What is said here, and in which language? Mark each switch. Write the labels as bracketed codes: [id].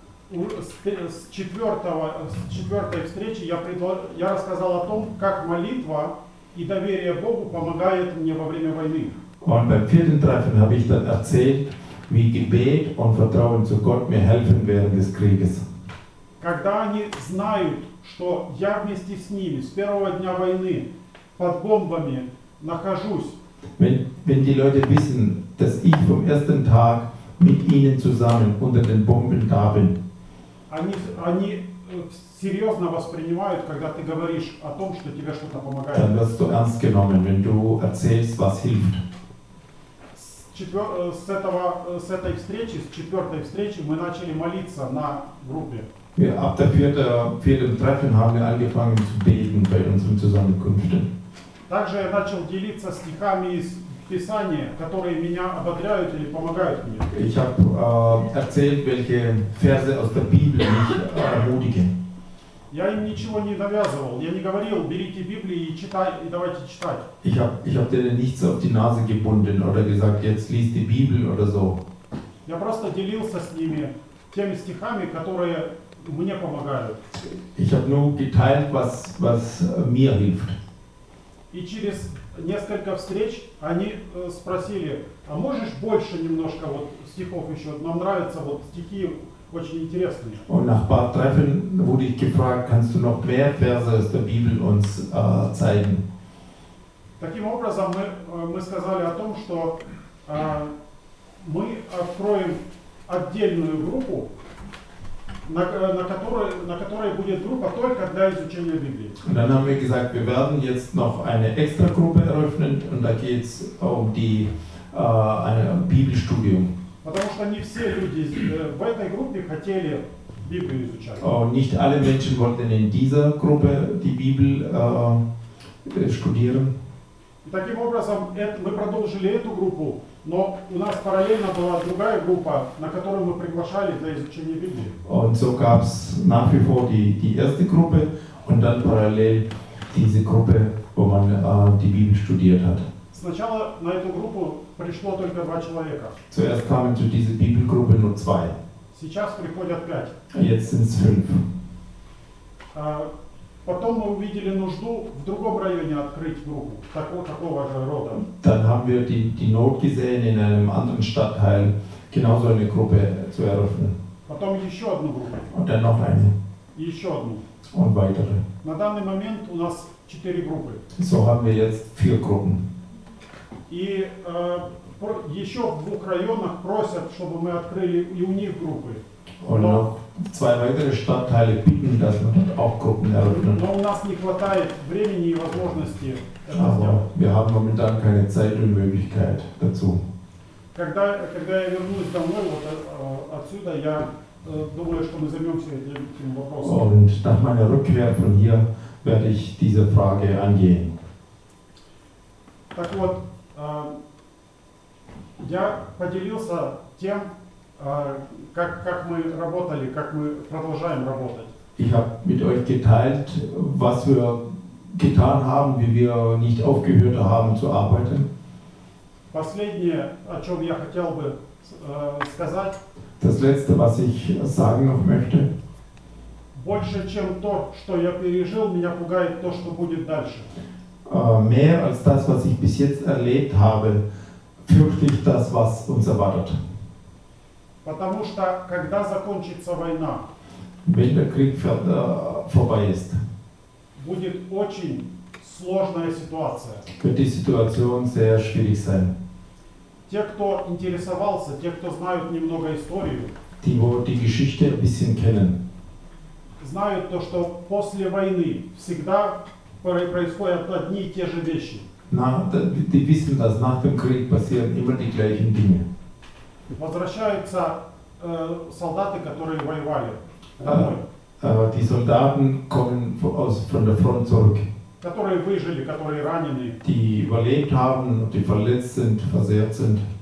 [ru] Und с четвертой встречи я рассказал о том, как молитва и доверие Богу помогает мне во время войны. [de] Und beim vierten Treffen habe ich dann erzählt, wie Gebet und Vertrauen zu Gott mir helfen während des Krieges. [ru] Когда они знают, что я вместе с ними с первого дня войны под бомбами нахожусь. [de] Wenn die Leute wissen, dass ich vom ersten Tag mit ihnen zusammen unter den Bomben da bin. [ru] Они серьезно воспринимают, когда ты говоришь о том, что тебе что-то помогает. [de] Dann wirst du ernst genommen, wenn du erzählst, was hilft. [ru] С этой встречи, мы начали молиться на группе. [de] Ab der vierten Treffen haben wir angefangen zu beten bei unseren Zusammenkünften. [ru] Также я начал делиться стихами из Писания, которые меня ободряют или помогают мне. [de] Ich habe erzählt, welche Verse aus der Bibel mich ermutigen. [ru] Я им ничего не навязывал, я не говорил, берите Библию и читай, и давайте читать. [de] Ich hab denen nichts auf die Nase gebunden oder gesagt, jetzt lies die Bibel oder so. [ru] Я просто делился с ними теми стихами, которые мне помогают. [de] Ich habe nur geteilt, was mir hilft. [ru] И через несколько встреч они спросили, а можешь больше немножко вот стихов еще, нам нравятся вот стихи очень интересные. [de] Und nach ein paar Treffen wurde ich gefragt, kannst du noch mehr Verse aus der Bibel uns zeigen? [ru] Таким образом мы сказали о том, что мы откроем отдельную группу, на которой будет группа только для изучения Библии. [de] Und dann haben wir gesagt, wir werden jetzt noch eine extra Gruppe eröffnen und da geht's um ein Bibelstudium. [ru] Потому что не все люди в этой группе хотели Библию изучать. [de] Und nicht alle Menschen wollten in dieser Gruppe die Bibel studieren. [ru] И таким образом мы продолжили эту группу, но у нас параллельно была другая группа, на которую мы приглашали для изучения Библии. [de] Und so gab's nach wie vor die erste Gruppe und dann parallel diese Gruppe, wo man die Bibel studiert hat. [ru] Сначала на эту группу пришло только 2 человека. [de] Zuerst kamen zu dieser Bibelgruppe nur 2. [ru] Сейчас приходят 5. [de] Jetzt sind's 5. [ru] Потом мы увидели нужду в другом районе открыть группу такого же рода. [de] Dann haben wir die Not gesehen, in einem anderen Stadtteil genauso eine Gruppe zu eröffnen. [ru] Потом еще одну группу. [de] Und dann noch eine. [ru] Еще одну. [de] Und weitere. [ru] На данный момент у нас 4 группы. [de] So haben wir jetzt 4 Gruppen. [ru] И еще в 2 районах просят, чтобы мы открыли и у них группы. [de] Und noch 2 weitere Stadtteile bitten, dass wir dort auch Gruppen eröffnen. [ru] Но у нас не хватает времени и возможности это сделать. [de] Wir haben momentan keine Zeit und Möglichkeit dazu. [ru] Когда я вернусь домой, вот отсюда, я думаю, что мы займемся этим вопросом. [de] Und nach meiner Rückkehr von hier werde ich diese Frage angehen. [ru] Так вот, я поделился тем, как мы работали, как мы продолжаем работать. [de] Ich habe mit euch geteilt, was wir getan haben, wie wir nicht aufgehört haben zu arbeiten. [ru] Последнее, о чем я хотел бы сказать. [de] Das Letzte, was ich sagen noch möchte. [ru] Больше, чем то, что я пережил, меня пугает то, что будет дальше. [de] Mehr als das, was ich bis jetzt erlebt habe, fürchte ich das, was uns erwartet. [ru] Потому что когда закончится война, [de] wenn der Krieg vorbei ist, [ru] будет очень сложная ситуация. [de] Wird die Situation sehr schwierig sein. [ru] Те, кто интересовался, те, кто знают немного историю, [de] die Geschichte ein bisschen kennen, [ru] знают то, что после войны всегда происходят одни и те же вещи. [de] Die wissen, dass nach dem Krieg passieren immer die gleichen Dinge. [ru] Возвращаются солдаты, которые воевали. [de] Die Soldaten kommen von der Front zurück. [ru] Которые выжили, которые ранены. [de] Die überlebt haben, die verletzt sind, versehrt sind.